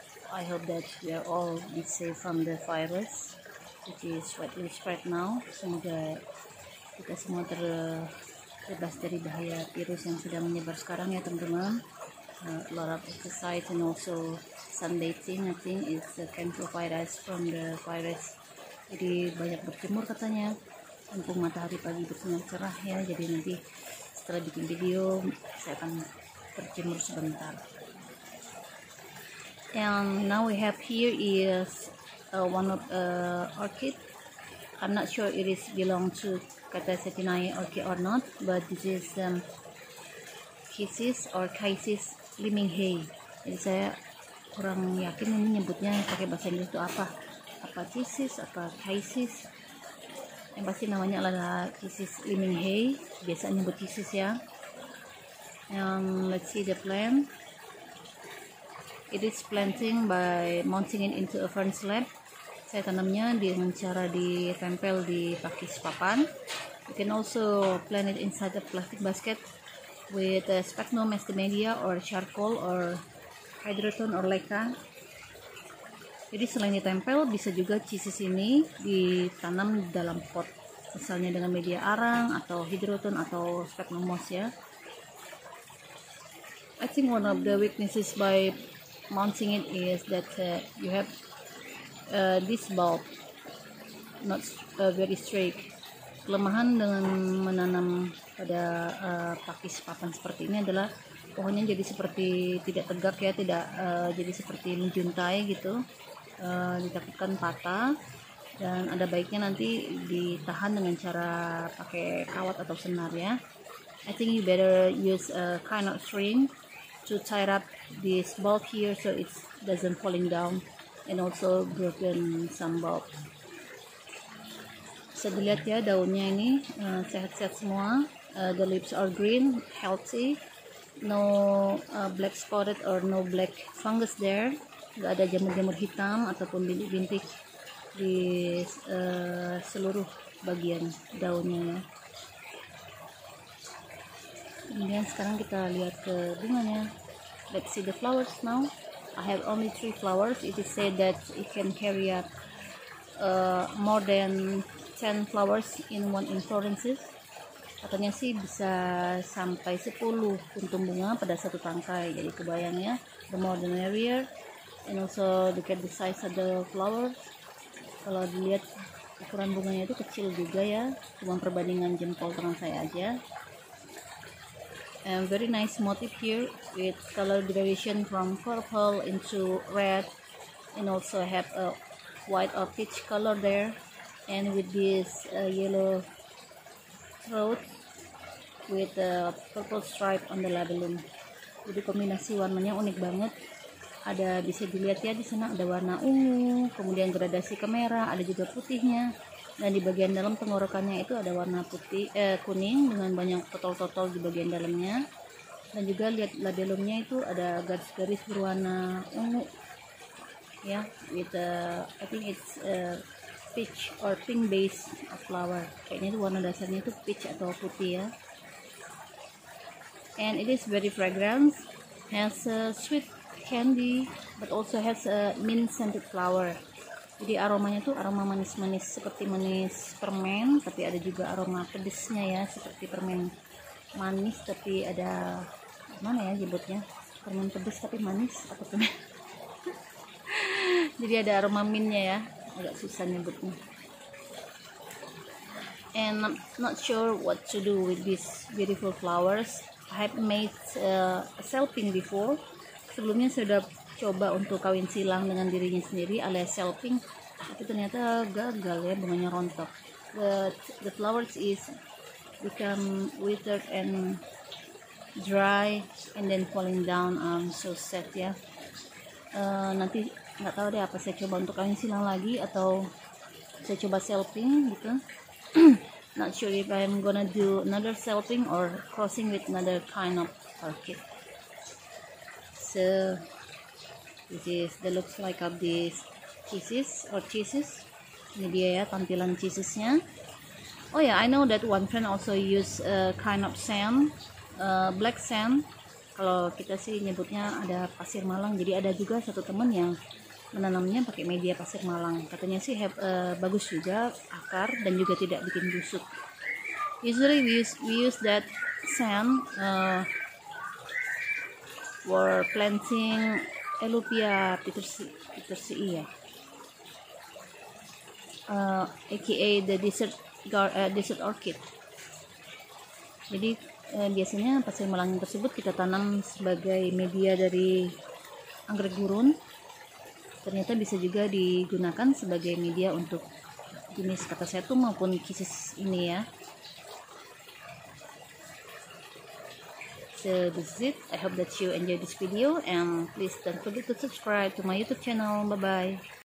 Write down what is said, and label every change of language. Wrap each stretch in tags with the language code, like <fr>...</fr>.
<en>I hope that you are all be safe from the virus which is widely spread now.</en> <id>Semoga kita semua terbebas dari bahaya virus yang sudah menyebar sekarang ya teman-teman.</id> <en>Lot of exercise and also sun bathing I think is can provide us from the virus.</en> <id>Jadi banyak berjemur katanya, mumpung matahari pagi bersinar cerah ya. Jadi nanti setelah bikin video saya akan berjemur sebentar.</id> <en>And now we have here is one of orchid. I'm not sure it is belong to Catasetinae orchid or not, but this is Cassis or Cassis Liminghei.</en> <id>Jadi saya kurang yakin ini nyebutnya pakai bahasa Inggris itu apa. Apa Cassis apa Cassis? Yang pasti namanya adalah Cassis Liminghei. Biasa nyebut Cassis ya.</id> <en>Let's see the plant. It is planting by mounting it into a fern slab.</en> <id>Saya tanamnya dengan cara ditempel di pakis papan.</id> <en>You can also plant it inside a plastic basket with a sphagnum estimedia or charcoal or hydroton or leca.</en> <id>Jadi selain ditempel, bisa juga Cassis ini ditanam dalam pot, misalnya dengan media arang atau hydroton atau sphagnum moss ya.</id> <en>I think one of the weaknesses by mounting it is that you have this bulb not very straight.</en> <id>Kelemahan dengan menanam pada pakis papan seperti ini adalah pohonnya jadi seperti tidak tegak ya, tidak jadi seperti menjuntai gitu. Ditakutkan patah, dan ada baiknya nanti ditahan dengan cara pakai kawat atau senar ya.</id> <en>I think you better use a kind of string to tie up this bulb here so it doesn't falling down and also broken some bulb.</en> <id>Bisa dilihat ya daunnya ini sehat-sehat semua.</id> <en>The leaves are green, healthy, no black spotted or no black fungus there.</en> <id>Gak ada jamur-jamur hitam ataupun bintik-bintik di seluruh bagian daunnya ya. Kemudian sekarang kita lihat ke bunganya.</id> <en>Let's see the flowers now. I have only 3 flowers. It is said that it can carry up more than 10 flowers in one inflorescence.</en> <id>Katanya sih bisa sampai 10 kuntum bunga pada satu tangkai. Jadi kebayang ya,</id> <en>the more the merrier. And also look at the size of the flower.</en> <id>Kalau dilihat ukuran bunganya itu kecil juga ya, cuma perbandingan jempol tangan saya aja.</id> <en>And very nice motif here with color variation from purple into red, and also have a white or peach color there, and with this yellow throat with a purple stripe on the labellum.</en> <id>Jadi kombinasi warnanya unik banget. Ada bisa dilihat ya di sana ada warna ungu, kemudian gradasi ke merah, ada juga putihnya. Dan di bagian dalam tenggorokannya itu ada warna putih kuning dengan banyak totol-totol di bagian dalamnya. Dan juga lihat labelumnya itu ada garis-garis berwarna ungu.</id> <en>Ya, with I think it's peach or pink base of flower.</en> <id>Kayaknya itu warna dasarnya itu peach atau putih ya.</id> <en>And it is very fragrant, has a sweet candy but also has a mint scented flower.</en> <id>Jadi aromanya tuh aroma manis-manis seperti manis permen, tapi ada juga aroma pedesnya ya, seperti permen manis tapi ada mana ya jebutnya, permen pedes tapi manis atau permen jadi ada aroma mintnya ya, agak susah nyebutnya.</id> <en>And I'm not sure what to do with these beautiful flowers. I have made a selfing before.</en> <id>Sebelumnya sudah coba untuk kawin silang dengan dirinya sendiri alias selfing, tapi ternyata gagal ya, bunganya rontok.</id> <en>The flowers is become withered and dry and then falling down. I'm so sad</en> <id>ya. Nanti nggak tahu deh apa saya coba untuk kawin silang lagi atau saya coba selfing gitu.</id> <en>Not sure if I'm gonna do another selfing or crossing with another kind of orchid. So this is the looks like of this Cassis or Cassis.</en> <id>Ini dia ya tampilan Cassisnya.</id> <en>Oh yeah, I know that one friend also use a kind of sand, black sand</en> <id>kalau kita sih nyebutnya ada pasir malang. Jadi ada juga satu teman yang menanamnya pakai media pasir malang, katanya sih bagus juga akar dan juga tidak bikin busuk.</id> <en>Usually we use that sand for planting Elupia petersi ya, aka the desert orchid.</en> <id>Jadi biasanya pasir malang tersebut kita tanam sebagai media dari anggrek gurun. Ternyata bisa juga digunakan sebagai media untuk jenis katasetum maupun kisis ini ya.</id> <en>So this is it. I hope that you enjoyed this video and please don't forget to subscribe to my YouTube channel. Bye bye.</en>